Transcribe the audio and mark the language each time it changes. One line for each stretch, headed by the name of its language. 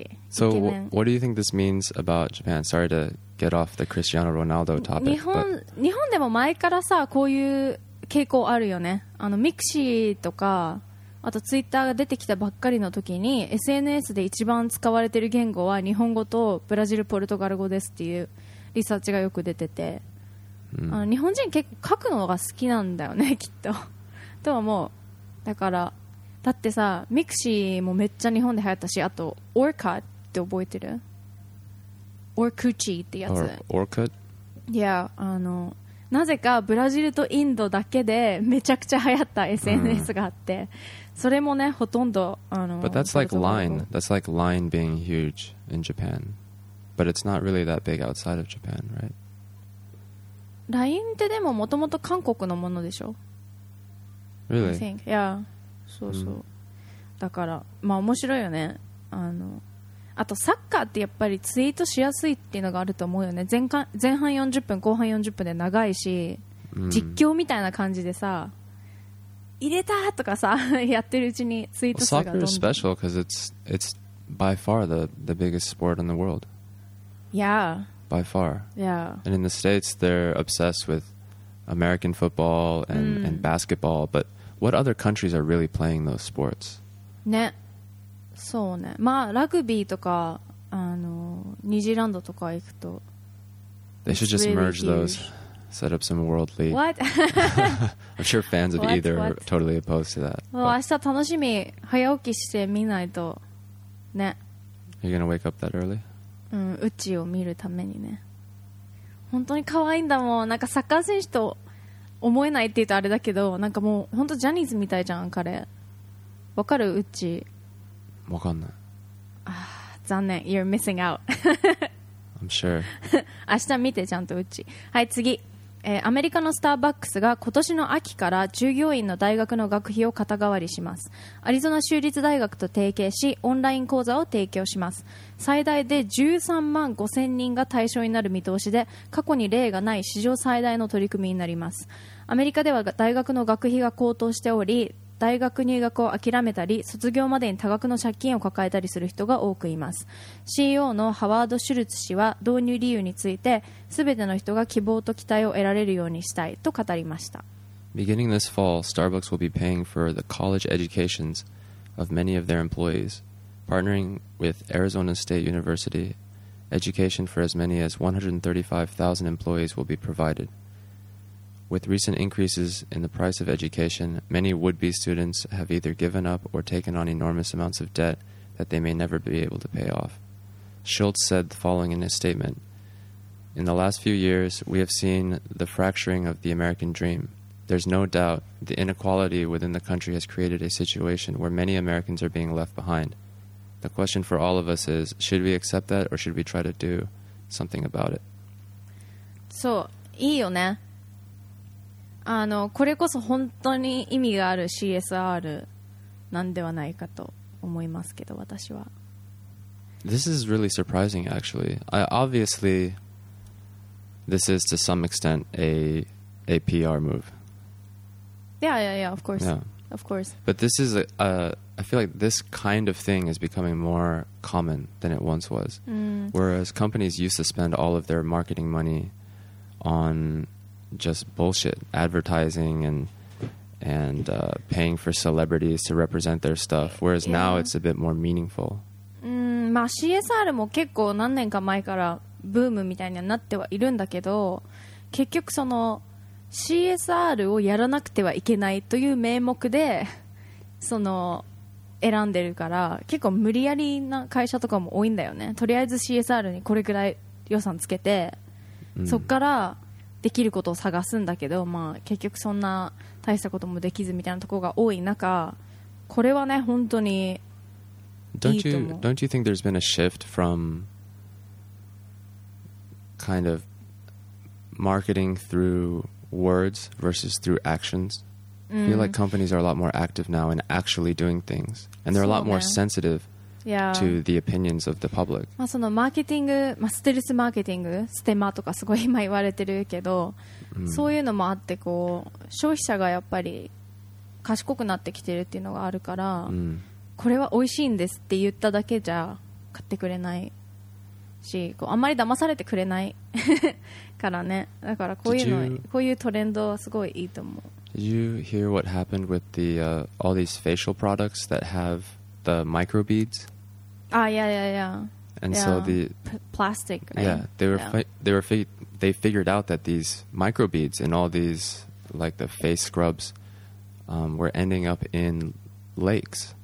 English: So, what do you think this means about Japan? Sorry to get off the Cristiano Ronaldo topic.
Japanese: 日本でも前からさ、こういう傾向あるよね。あの、Mixi とか、あと Twitter が出てきたばっかりの時に、SNS で一番使われてる言語は日本語とブラジル・ポルトガル語ですっていうリサーチがよく出てて、あの、日本人結構書くのが好きなんだよね、きっと。とは思う。だから、だってさ、ミクシーもめっちゃ日本で流行ったし、あと、オーカって覚えてる？オークチーってやつ。オーカ？いや、あの、なぜかブラジルとインドだけでめちゃくちゃ流行った SNS があって、それもねほとんどあの。
English: But that's like Line. That's like Line being huge in Japan. But it's not really that big outside of Japan, right?
Japanese: LINE ってでももともと韓国のものでしょ。
English: Really? I think. Yeah.
Japanese: そうそう。
English: Mm.
Japanese: だからまあ面白いよね。あの。あとサッカーってやっぱりツイートしやすいっていうのがあると思うよね。前半40分後半40分で長いし、実況みたいな感じでさ、入れたとかさやってるうちにツイート数がどんどん。
English: Soccer is special because it's by far the biggest sport in the world. Yeah. By far. Yeah. And in the States they're obsessed with American football and,、mm. and basketball. But what other countries are really playing those sports?
Japanese: ね、そうね、まあラグビーとかあのニュージーランドとか行くと、
English: They should just merge those, set up some world league. What? I'm sure fans of either are totally opposed to that.
Japanese: 明日楽しみ、早起きして見ないとね。
English: You're gonna wake up that early?
Japanese: うん、うちを見るためにね。本当に可愛いんだもん。なんかサッカー選手と思えないって言うとあれだけど、なんかもう本当ジャニーズみたいじゃん彼。わかる、うち。わかんない。残念。
English: You're missing out. I'm sure.
Japanese: 明日見てちゃんとうち。はい、次、アメリカのスターバックスが今年の秋から従業員の大学の学費を肩代わりします。アリゾナ州立大学と提携し、オンライン講座を提供します。最大で13万5千人が対象になる見通しで、過去に例がない史上最大の取り組みになります。アメリカでは大学の学費が高騰しており、大学入学を諦めたり卒業までに多額の借金を抱えたりする人が多くいます。 CEO のハワード・シュルツ氏は導入理由について、全ての人が希望と期待を得られるようにしたいと語りました。
English: Beginning this fall, Starbucks will be paying for the college educations of many of their employees, partnering with Arizona State University. Education for as many as 135,000 employees will be provided. With recent increases in the price of education, many would-be students have either given up or taken on enormous amounts of debt that they may never be able to pay off. Schultz said the following in his statement, In the last few years, we have seen the fracturing of the American dream. There's no doubt the inequality within the country has created a situation where many Americans are being left behind. The question for all of us is, should we accept that or should we try to do something about it?
Japanese: So, いいよね。あのこれこそ本当に意味がある CSR なんではないかと思いますけど、私は。
English: This is really surprising actually. I, obviously this is to some extent a PR move. Yeah, yeah, yeah, of course. Yeah. Of course. But this is I feel like this kind of thing is becoming more common than it once was. Mm. Whereas companies used to spend all of their marketing money onjust bullshit advertising and paying for celebrities to represent their stuff, whereas now it's a bit more meaningful.
Japanese: まあ CSR も結構何年か前からブームみたいになってはいるんだけど、結局その CSR をやらなくてはいけないという名目でその選んでるから、結構無理やりな会社とかも多いんだよね。とりあえず CSR にこれくらい予算つけて、そっからできることを探すんだけど、まあ、結局そんな大したこともできずみたいなところが多い中、これはね本当にいいと思う。
English: Don't you think there's been a shift from kind of marketing through words versus through actions? I feel like companies are a lot more active now in actually doing things, and they're a lot more sensitive to the opinions of the public.
Japanese: まあそのマーケティング、まあ、ステルスマーケティング、ステマとかすごい今言われてるけど、そういうのもあってこう消費者がやっぱり賢くなってきてるっていうのがあるから、これは美味しいんですって言っただけじゃ買ってくれないし、こうあんまり騙されてくれないからね。だからこういうの、こういうトレンドはすごいいいと思う。
English: Did you hear what happened with the, all these facial products that have... The microbeads. Ah, yeah, yeah, yeah. And yeah. so the plastic. Right? Yeah, they figured out that these microbeads in all these like the face scrubs were ending up in lakes.